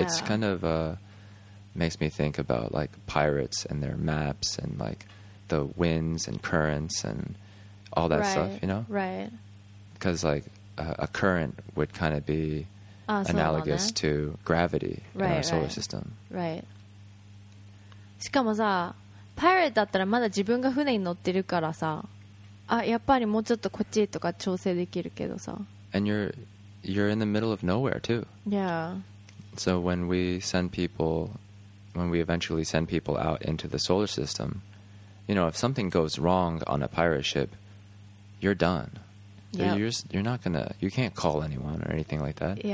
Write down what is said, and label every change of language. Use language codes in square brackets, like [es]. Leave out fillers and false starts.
[en] It's kind of makes me think about, like, pirates and their maps and, like, the winds and currents and all that right. stuff, you know? Right. Because, like, a current would kind of be... analogous to gravity in our solar system. Right. [ja] しかもさ、パイロットだったらまだ自分が船に乗ってるからさ、あ、やっぱりもうちょっとこっちとか調整できるけどさ。 [en] And you're in the middle of nowhere too. Yeah. So when we eventually send people out into the solar system, you know, if something goes wrong on a pirate ship, you're done. Yep. You can't call anyone or anything like that.